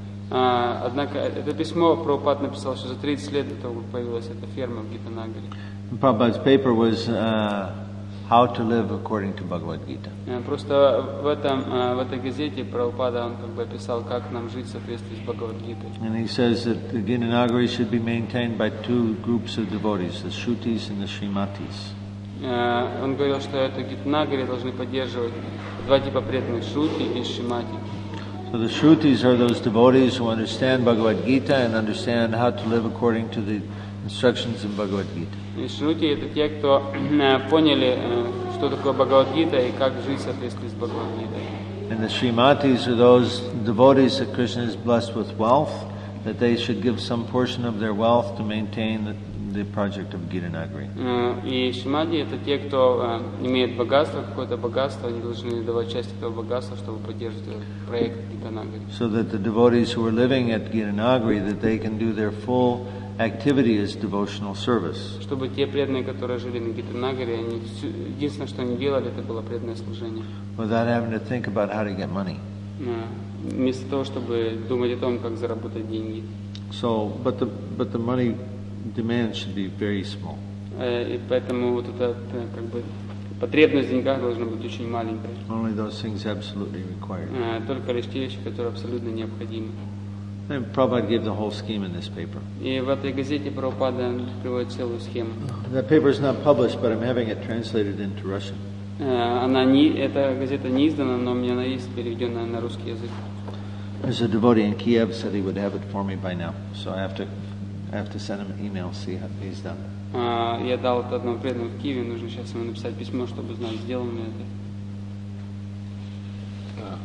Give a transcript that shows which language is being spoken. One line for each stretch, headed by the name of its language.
Russian: Однако это письмо Прабхупад написал, что за 30 лет до того, как появилась эта ферма в Гитанагаре.
English: Prabhupada's paper was how to live according to Bhagavad Gita.
Russian: Просто в этом в этой газете Прабхупада он как бы описал, как нам жить в соответствии с Бхагавад Гитой.
English: And he says that the Gitanagari should be maintained by two groups of devotees, the Shrutis and the Shrimatis.
Russian: Он говорил, что эту Гитанагари должны поддерживать два типа преданных, Шрути и Шримати.
English: So the Shrutis are those devotees who understand Bhagavad Gita and understand how to live according to the instructions in Bhagavad Gita.
Russian: Shruti это те, кто поняли, что такое Бхагавад Гита и как жить в соответствии с Бхагавад Гитой.
English: And the Shrimatis are those devotees that Krishna is blessed with wealth, that they should give some portion of their wealth to maintain the project of Gita Nagari.
Russian: И Шримати это те, кто имеет богатство, какое-то богатство, они должны давать часть этого богатства, чтобы поддерживать проект Gita Nagari.
English: So that the devotees who are living at Gita Nagari, that they can do their full activity as devotional service.
Russian: Чтобы те преданные, которые жили на Гита Нагари, они единственное, что они делали, это было преданное служение.
English: Without having to think about how to get money.
Russian: Вместо того, чтобы думать о том, как заработать деньги.
English: So, but the money demand should be very small.
Russian: И поэтому вот эта как бы потребность в деньгах должна быть очень маленькой.
English: Only those things absolutely required.
Russian: Только лишь те вещи, которые абсолютно необходимы.
English: And Prabhupada gave the whole scheme in this paper.
Russian: И в этой газете Прабхупада приводит целую схему.
English: The paper is not published, but I'm having it translated into Russian.
Russian: Она не, эта газета не издана, но у меня она есть, переведенная на русский язык.
English: There's a devotee in Kiev said he would have it for me by now, so I have to send him an email, see how he's done.
Russian: Я дал одному преданному в Киеве, нужно сейчас ему написать письмо, чтобы знать, сделал ли это.